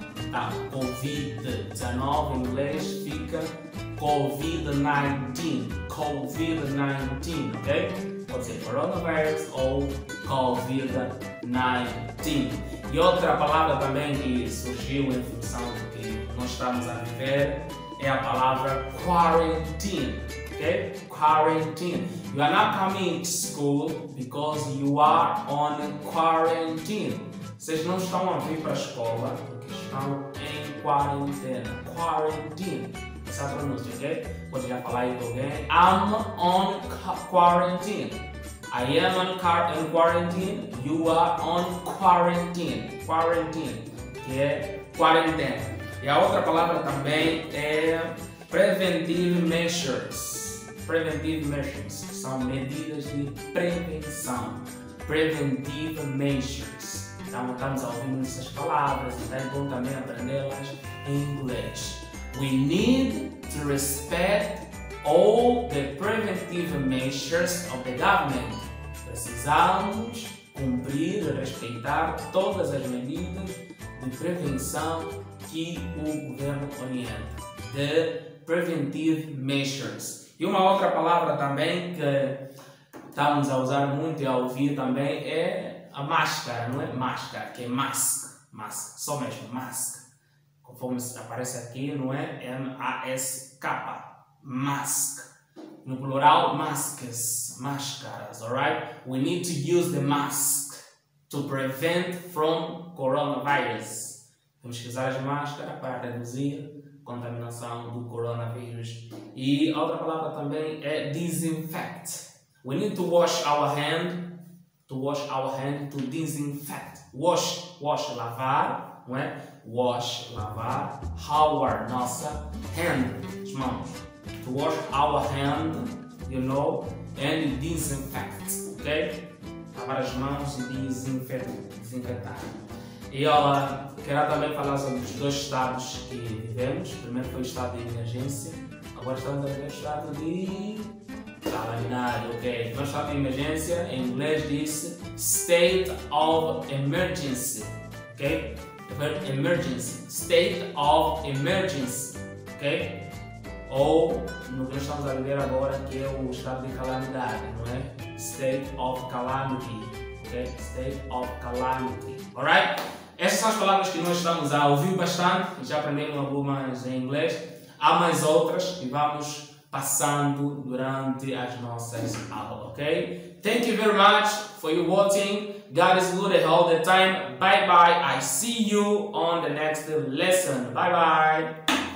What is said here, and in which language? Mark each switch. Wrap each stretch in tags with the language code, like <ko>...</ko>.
<pt>Tá, Covid-19 em inglês fica Covid-19, Covid-19, ok? Pode ser coronavirus ou Covid-19. E outra palavra também que surgiu em função do que nós estamos a viver é a palavra quarantine, ok? Quarantine.</pt> <en>You are not coming to school because you are on quarantine.</en> <pt>Vocês não estão a vir para a escola porque estão em quarentena. Quarantine. Essa é a pronúncia, ok? Podia falar aí com alguém.</pt> <en>I'm on quarantine. I am on quarantine. You are on quarantine. Quarantine.</en> <pt>Que é quarentena. E a outra palavra também é preventive measures.</pt> <en>Preventive measures.</en> <pt>São medidas de prevenção.</pt> <en>Preventive measures.</en> <pt>Então, estamos ouvindo essas palavras, então é bom também aprendê-las em inglês.</pt> <en>We need to respect all the preventive measures of the government.</en> <pt>Precisamos cumprir e respeitar todas as medidas de prevenção que o governo orienta.</pt> <en>The preventive measures.</en> <pt>E uma outra palavra também que estamos a usar muito e a ouvir também é a máscara, não é? Máscara, que é mask, mask, só mesmo, mask, conforme aparece aqui, não é? M-A-S-K, mask, no plural, masks, máscaras, alright?</pt> <en>We need to use the mask to prevent from coronavirus.</en> <pt>Temos que usar as máscaras para reduzir a contaminação do coronavírus. E outra palavra também é disinfect.</pt> <en>We need to wash our hand. To wash our hand, to disinfect.</en> <pt>Wash, wash, lavar, não é? Wash, lavar, our, nossa, hand, as mãos.</pt> <en>To wash our hand, you know, and disinfect, ok?</en> <pt>Lavar as mãos e desinfetar. E ela quer também falar sobre os dois estados que vivemos. Primeiro foi o estado de emergência, agora estamos a ver o estado de calamidade, ok? Nós estamos em emergência, em inglês diz</pt> <en>state of emergency,</en> <pt>ok?</pt> <en>Emergency, state of emergency, ok?</en> <pt>Ou no que nós estamos a viver agora, que é o estado de calamidade, não é?</pt> <en>State of calamity, ok? State of calamity, alright?</en> <pt>Essas são as palavras que nós estamos a ouvir bastante, já aprendemos algumas em inglês. Há mais outras que vamos passando durante as nossas aulas, ok?</pt> <en>Thank you very much for your watching. God is good all the time. Bye bye. I see you on the next lesson. Bye bye.</en>